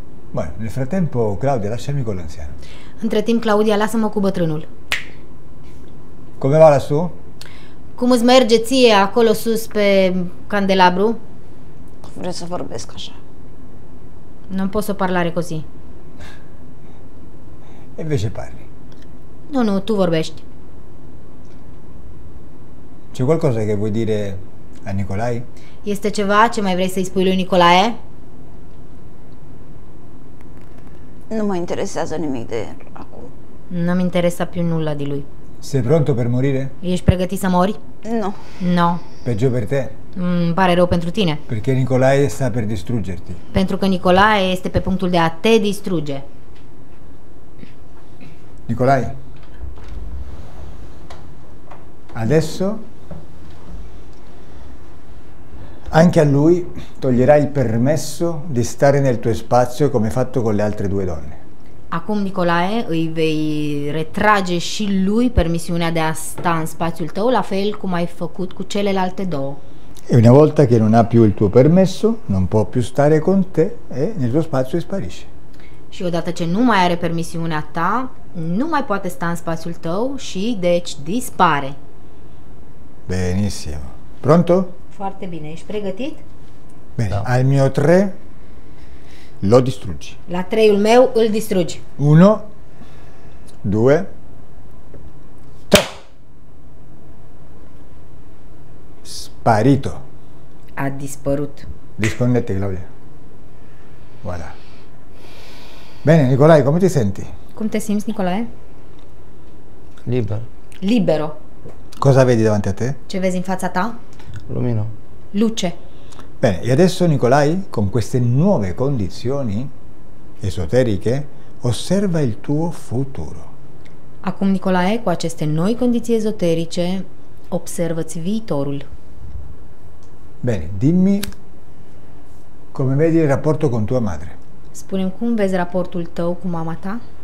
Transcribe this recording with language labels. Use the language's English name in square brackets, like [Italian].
[Italian] Bueno, nel frattempo, Claudia, lasciami con l'anziano. [Romanian] Între timp, Claudia, lasă-mă cu bătrânul. [Italian] Come va lassù? [Romanian] Cum îți merge ție acolo sus pe candelabru? Vreau să vorbesc așa. [Italian] Non posso parlare così. E invece parli. [Romanian] Nu, nu, tu vorbești. [Italian] C'è qualcosa che vuoi dire... A Nicolae? [Romanian] Este ceva ce mai vrei să-i spui lui Nicolae? Nu mă interesează nimic de acum. [Italian] Nu mi interesa più nulla di lui. Sei pronto per morire? [Romanian] Ești pregătit să mori? Nu. [Italian] No. No. Peggio per te? [Romanian] Îmi pare rău pentru tine. [Italian] Perché Nicolae sta per distruggerti. [Romanian] Pentru că Nicolae este pe punctul de a te distruge. [Italian] Nicolae? Adesso? Anche a lui toglierai il permesso di stare nel tuo spazio come hai fatto con le altre due donne. [Romanian] Acum, Nicolae, îi vei retrage și lui permisiunea de a sta în spațiul tău, la fel cum ai făcut cu celelalte două. [Italian] E una volta che non ha più il tuo permesso, non può più stare con te e nel tuo spazio sparisce. [Romanian] Și odată ce nu mai are permisiunea ta, nu mai poate sta în spațiul tău și deci dispare. [Italian] Benissimo. Pronto? [Romanian] Foarte bine. Ești pregătit? [Italian] Bene, da. Al mio tre lo distrugi. [Romanian] La treiul meu îl distrugi. [Italian] Uno, due, tre. Sparito. [Romanian] A dispărut. [Italian] Dispondete, Claudia. Voilà. Bene, Nicolae, come ti senti? [Romanian] Cum te simți, Nicolae? Liber. [Italian] Libero. Cosa vedi davanti a te? [Romanian] Ce vezi în fața ta? Lumino. [Italian] Luce. Bene, e adesso Nicolae, con queste nuove condizioni esoteriche, osserva il tuo futuro. [Romanian] Acum, Nicolae, cu aceste noi condiții esoterice, observă-ți viitorul. [Italian] Bene, dimmi come vedi il rapporto con tua madre. [Romanian] Spune-mi cum vezi raportul tău cu mama ta?